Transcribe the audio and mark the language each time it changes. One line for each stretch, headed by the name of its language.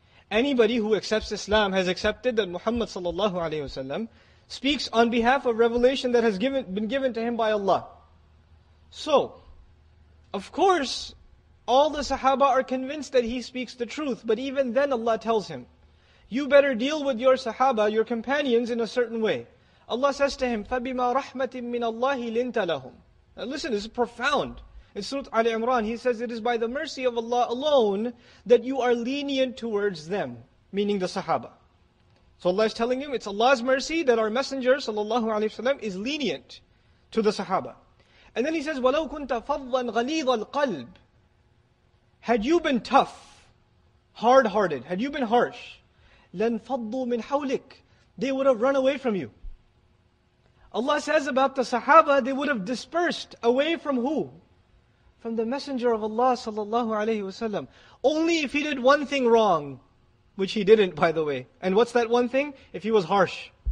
English: Anybody who accepts Islam has accepted that Muhammad sallallahu alayhi wasallam speaks on behalf of revelation that has been given to him by Allah. So, of course, all the Sahaba are convinced that he speaks the truth, but even then Allah tells him, you better deal with your Sahaba, your companions, in a certain way. Allah says to him,
Arabic: فَبِمَا رَحْمَةٍ مِّنَ اللَّهِ لِنْتَ لَهُمْ.
English: Now listen, this is profound. In Surah Ali Imran, he says, it is by the mercy of Allah alone that you are lenient towards them, meaning the Sahaba. So Allah is telling him, it's Allah's mercy that our Messenger sallallahu alayhi wasallam is lenient to the Sahaba. And then he says,
Arabic: وَلَوْ كُنْتَ فَضًّا غَلِيظَ الْقَلْبِ.
English: Had you been tough, hard-hearted, had you been harsh,
Arabic: لَنْفَضُّوا مِنْ حَوْلِكَ,
English: they would have run away from you. Allah says about the Sahaba, they would have dispersed away from who? From the Messenger of Allah sallallahu alayhi wasallam. Only if he did one thing wrong, which he didn't, by the way. And what's that one thing? If he was harsh.